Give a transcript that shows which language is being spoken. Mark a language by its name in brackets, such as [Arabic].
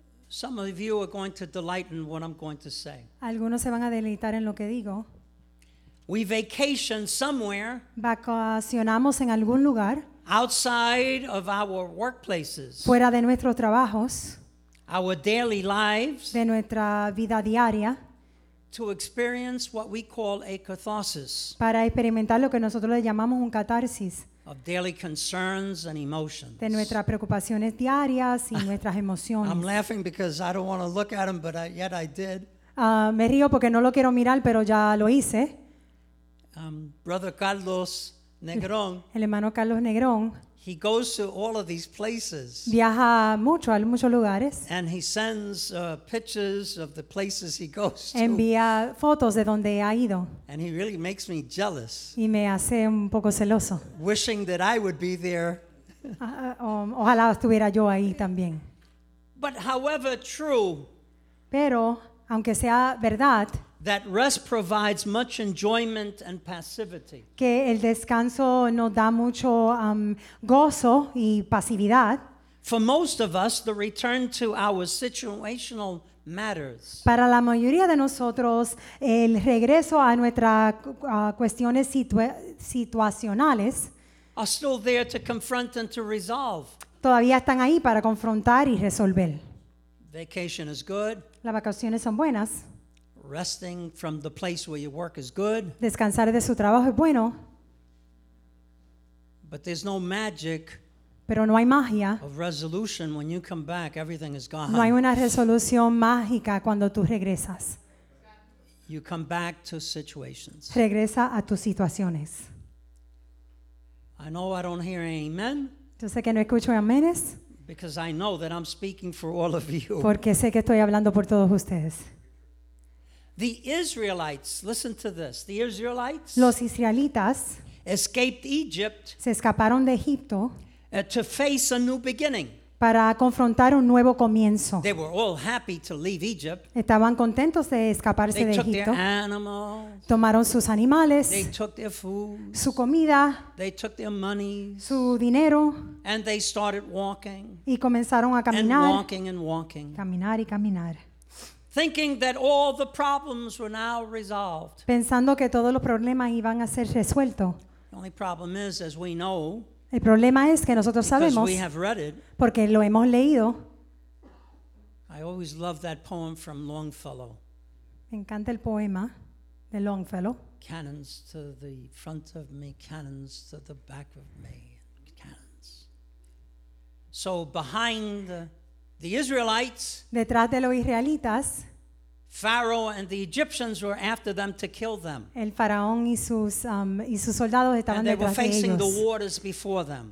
[English] Some of you are going to delight in what I'm going to say. [Spanish] Algunos se van a deleitar en lo que digo. [English] We vacation somewhere. [Spanish] Vacacionamos en algún lugar. [English] Outside of our workplaces. [Spanish] Fuera de nuestros trabajos. [English] Our daily lives. [Spanish] De nuestra vida diaria. [English] To experience what we call a catharsis. [Spanish] Para experimentar lo que nosotros le llamamos un catarsis. [English] Of daily concerns and emotions. [Spanish] De nuestras preocupaciones diarias y nuestras emociones. [English] I'm laughing because I don't want to look at them, but yet I did. [Spanish] Me río porque no lo quiero mirar, pero ya lo hice. [English] Brother Carlos Negrón. [Spanish] El hermano Carlos Negrón. [English] He goes to all of these places. [Spanish] Viaja mucho, a muchos lugares. [English] And he sends pictures of the places he goes to. [Spanish] Envía fotos de donde ha ido. [English] And he really makes me jealous. [Spanish] Y me hace un poco celoso. [English] Wishing that I would be there. [Spanish] ojalá estuviera yo ahí también. [English] But however true. [Spanish] Pero aunque sea verdad. [English] That rest provides much enjoyment and passivity. [Spanish] Que el descanso nos da mucho gozo y pasividad. [English] For most of us, the return to our situational matters. [Spanish] Para la mayoría de nosotros, el regreso a nuestras cuestiones situacionales [English] are still there to confront and to resolve. [Spanish] Todavía están ahí para confrontar y resolver. [English] Vacation is good. [Spanish] Las vacaciones son buenas. [English] Resting from the place where you work is good. [Spanish] Descansar de su trabajo es bueno. [English] But there's no magic. [Spanish] Pero no hay magia. [English] Of resolution when you come back, everything is gone. [Spanish] No hay una resolución mágica cuando tú regresas. [English] You come back to situations. [Spanish] Regresa a tus situaciones. [English] I know I don't hear any amen. [Spanish] Yo sé que no escucho amenes. [English] Because I know that I'm speaking for all of you. [Spanish] Porque sé que estoy hablando por todos ustedes. [English] The Israelites, listen to this. The Israelites, [Spanish] los israelitas, [English] escaped Egypt, [Spanish] se escaparon de Egipto, [English] to face a new beginning, [Spanish] para confrontar un nuevo comienzo. [English] They were all happy to leave Egypt. [Spanish] Estaban contentos de escaparse [English] they [Spanish] de Egipto. [English] They took their animals. [Spanish] Tomaron sus animales. [English] They took their food. [Spanish] Su comida. [English] They took their money. [Spanish] Su dinero. [English] And they started walking. [Spanish] Y comenzaron a caminar. [English] And walking and walking. [Spanish] Caminar y caminar. [English] thinking that all the problems were now resolved. [Spanish] Pensando que todos los problemas iban a ser resueltos. [English] The only problem is, as we know, [Spanish] el problema es que nosotros sabemos, [English] because we have read it, [Spanish] porque lo hemos leído. [English] I always loved that poem from Longfellow. [Spanish] Me encanta el poema de Longfellow. [English] Cannons to the front of me, cannons to the back of me, cannons. So behind the Israelites, [Spanish] detrás de los israelitas, [English] Pharaoh and the Egyptians were after them to kill them. [Spanish] El faraón y sus soldados estaban detrás de ellos. [English] And they were facing the waters before them.